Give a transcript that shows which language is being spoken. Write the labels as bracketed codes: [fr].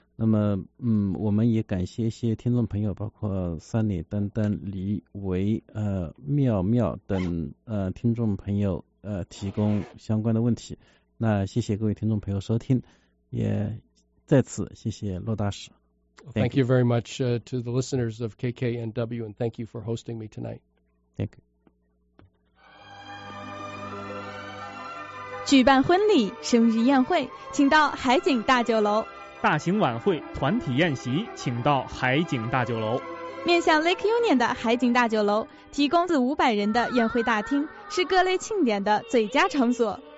[zh] 那么我们也感谢一些听众朋友，包括三里丹丹、李维、妙妙等听众朋友提供相关的问题。那谢谢各位听众朋友收听，也再次谢谢陆大使。 [en] Thank you very much to the listeners of KKNW and thank you for hosting me tonight. Thank you. [zh] 举办婚礼、生日宴会，请到海景大酒楼。大型晚会、团体宴席，请到海景大酒楼。面向 Lake Union 的海景大酒楼提供自500人的宴会大厅，是各类庆典的最佳场所。